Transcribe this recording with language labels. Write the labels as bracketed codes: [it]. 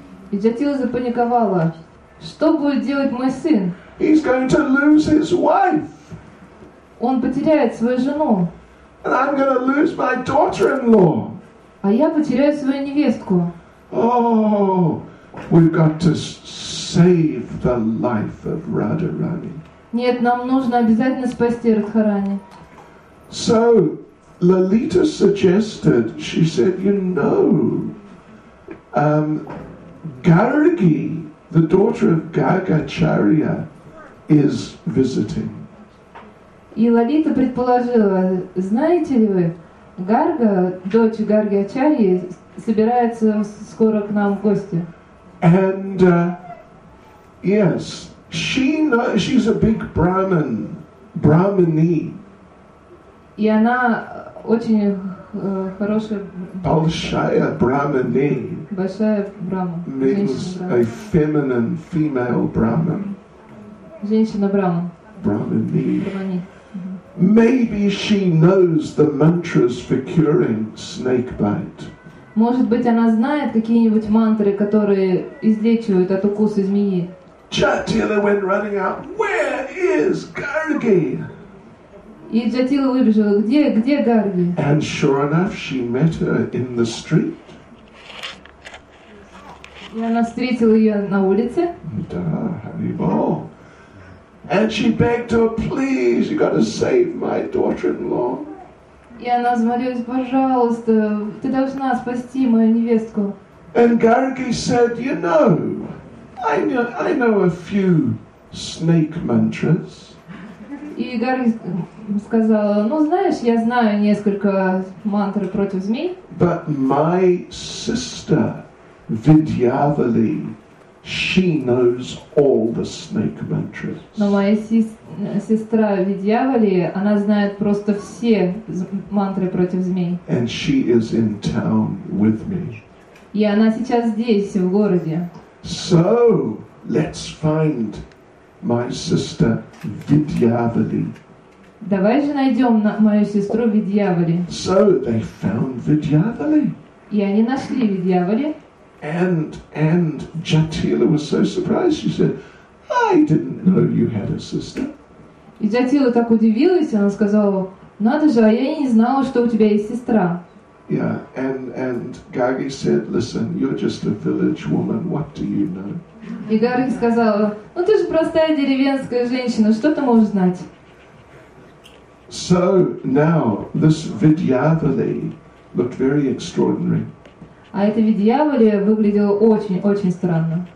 [ru] И Джатила запаниковала. Что будет делать мой сын? [en] He's going to lose his wife. [ru] Он потеряет свою жену. [en] And I'm going to lose my daughter-in-law. [ru] А я потеряю свою невестку. [en] Oh, we've got to save the life of Radharani. [ru] Нет, нам нужно обязательно спасти Радхарани. [en] So, Lalita suggested, she said, you know, Gargi, the daughter of Gargacharya, is visiting. [ru] И Лалита предположила, знаете ли вы, Гарга, дочь Гарги Ачарьи, собирается скоро к нам в гости. [en] And, yes, she's a big Brahmin, Brahmini. [ru] И она очень хорошая... Большая Брахмани. Большая Брахма. [en] Means a feminine, female Brahmin. [ru] Женщина Брахма. Брахмани. [en] Maybe she knows the mantras for curing snake bite. [ru] Может быть, она знает какие-нибудь мантры, которые излечивают от укуса змеи. [en] Джатила went running out. Where is Gargi? [ru] И Джатила выбежала. Где Гарги? [en] And sure enough, she met her in the street. [ru] И она встретила ее на улице. Да, [en] Ханнибал. And she begged her, please, you've got to save my daughter-in-law. [ru] И она взмолилась, пожалуйста, ты должна спасти мою невестку. [en] And Gargi said, you know, I know a few snake mantras. [ru] И Гарги сказала, ну знаешь, я знаю несколько мантр против змей. [en] But my sister Vidyavali, she knows all the snake mantras. [ru] Но моя сестра Vidyavali, она знает просто все мантры против змей. [en] And she is in town with me. [ru] И она сейчас здесь, в городе. [en] So, let's find my sister Vidyavali. [ru] Давай же найдем мою сестру Vidyavali. [en] So, they found Vidyavali. [ru] И они нашли Vidyavali. [en] And Jatila was so surprised. She said, "I didn't know you had a sister." [ru] И Джатила так удивилась, она сказала, "Надо же, а я и не знала, что у тебя есть сестра." [en] Yeah, and Gargi said, "Listen, you're just a village woman. What do you know?" [ru] И Гарги сказала, "Ну ты же простая деревенская женщина. Что ты можешь знать?" [en] So now this Vidyavali looked very extraordinary. [ru] А эта Vidyavali выглядела очень-очень странно.